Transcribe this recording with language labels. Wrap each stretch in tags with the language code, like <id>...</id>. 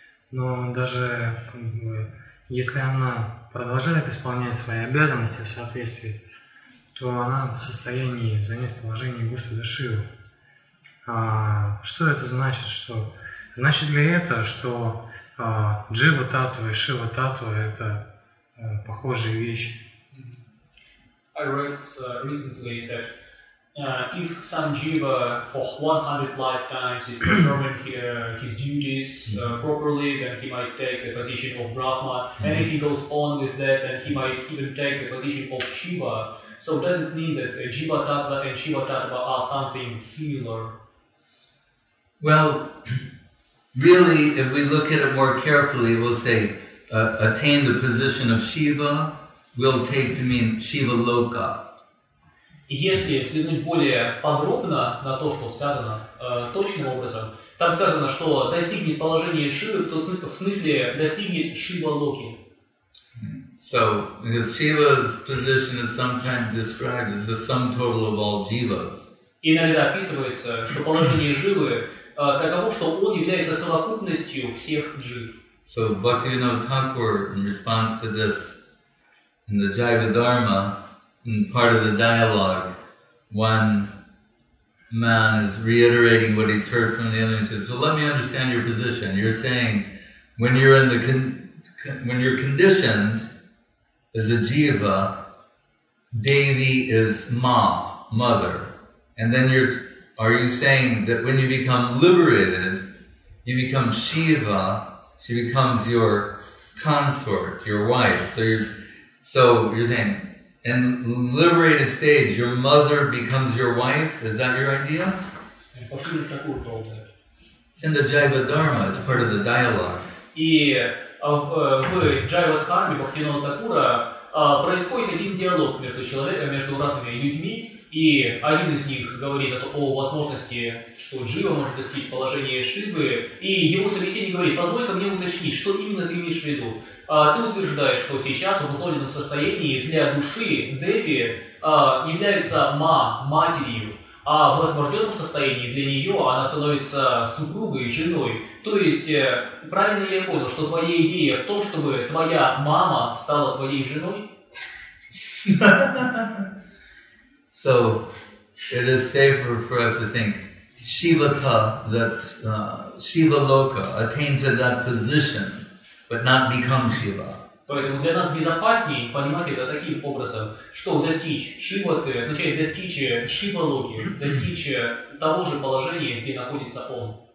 <ru>Но даже если она продолжает исполнять свои обязанности в соответствии, то она в состоянии занять положение Господа Шивы. Что это значит? Что значит ли это, что Джива Татва и Шива Татва – это похожие вещи?</ru> <en>I read recently that if Sanjiva for 100 lifetimes is performing his duties properly, then he might take the position of Brahma. Mm-hmm. And if he goes on with that, then he might even take the position of Shiva. So does it mean that Jiva Tattva and Shiva Tattva are something similar? Well, really, if we look at it more carefully, we'll say attain the position of Shiva will take to mean Shiva Loka.</en> <ru>Если взглянуть более подробно на то, что сказано, точным образом, там сказано, что достигнет положения Шивы, то в смысле достигнет Шива Локи.</ru> <en>So, because Shiva's position is sometimes described as the sum total of all jivas.</en> <ru>Иногда описывается, что положение Шивы таково, что он является совокупностью всех джив.</ru> <en>So, Bhaktivinoda Thakur, in response to this, in the Jiva Dharma, in part of the dialogue, one man is reiterating what he's heard from the other. He says, "So let me understand your position. You're saying when you're in the when you're conditioned as a jiva, Devi is Ma, mother. And then are you saying that when you become liberated, you become Shiva? She becomes your consort, your wife. So you're saying, in liberated stage, your mother becomes your wife? Is that your idea?" It's in the Jiva Dharma, it's part of the dialogue.</en> <ru>И в Jiva Dharma, Бхактивинода Тхакура, происходит один диалог между человеком, между разными людьми, и один из них говорит о возможности, что Джива может достичь положения Шивы, и его собеседник говорит, позволь-ка мне уточнить, что именно ты имеешь в виду? Ты утверждаешь, что сейчас в уготовленном состоянии для души Деви является матерью, а в возбужденном состоянии для нее она становится супругой, женой. То есть, правильно ли я понял, что твоя идея в том, чтобы твоя мама стала твоей женой?</ru> <en>So, It is safer for us to think Shivata, that Shiva Loka attained to that position, but not become Shiva.</en> <ru>Поэтому для нас безопаснее понимать это таким образом, что достичь Шиваты означает достичь Шива Локи, достичь того же положения, где находится он.</ru>